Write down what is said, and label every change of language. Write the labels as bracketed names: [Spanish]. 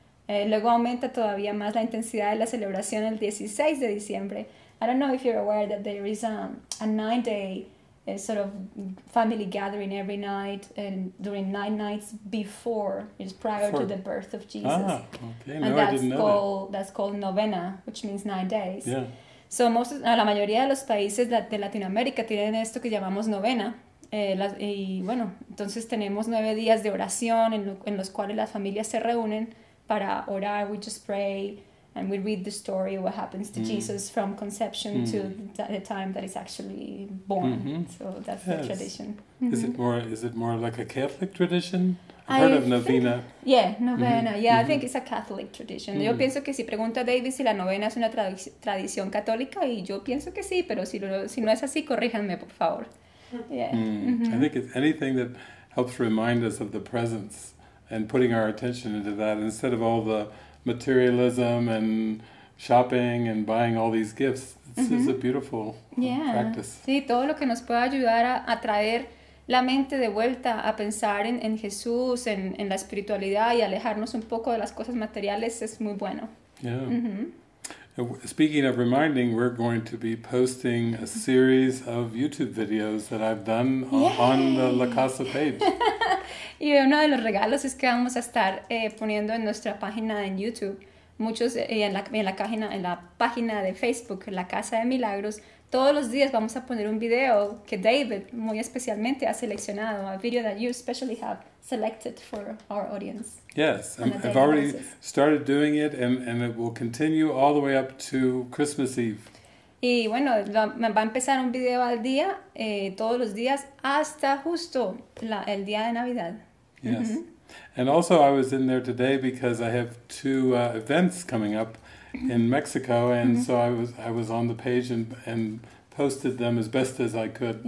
[Spanish] Luego aumenta todavía más la intensidad de la celebración el 16 de diciembre. [English] I don't know if you're aware that there is a 9-day sort of family gathering every night and during 9 nights before, it's prior to the birth of Jesus. That's called novena, which means 9 days. Yeah. So most, [Spanish] la mayoría de los países de Latinoamérica tienen esto que llamamos novena. Y bueno, entonces tenemos 9 días de oración en los cuales las familias se reúnen para orar, [English] we just pray, and we read the story of what happens to Jesus from conception to the time that he's actually born. Mm-hmm. So that's the tradition. Mm-hmm. Is it more like a Catholic tradition? I've heard of novena. Novena. Mm-hmm. Yeah, I think it's a Catholic tradition. [Spanish] Mm-hmm. Yo pienso que si pregunta David si la novena es una tradición católica, y yo pienso que sí, pero si no es así, corríjanme, por favor. [English] Yeah. Mm. Mm-hmm. I think it's anything that helps remind us of the presence and putting our attention into that instead of all the materialism and shopping and buying all these gifts. This is a beautiful practice. [Spanish] Sí, todo lo que nos pueda ayudar a traer la mente de vuelta a pensar en Jesús, en la espiritualidad y alejarnos un poco de las cosas materiales es muy bueno. [English] Yeah. Speaking of reminding, we're going to be posting a series of YouTube videos that I've done on the La Casa page. [Spanish] Y uno de los regalos es que vamos a estar poniendo en nuestra página en YouTube muchos en la página de Facebook, La Casa de Milagros. Todos los días vamos a poner un video que David muy especialmente ha seleccionado, [English] a video that you especially have selected for our audience. Yes, I've already started doing it and it will continue all the way up to Christmas Eve. [Spanish] Y bueno, va a empezar un video al día, todos los días, hasta justo el día de Navidad. [English] Yes. And also I was in there today because I have two events coming up in Mexico, and so I was on the page and posted them as best as I could.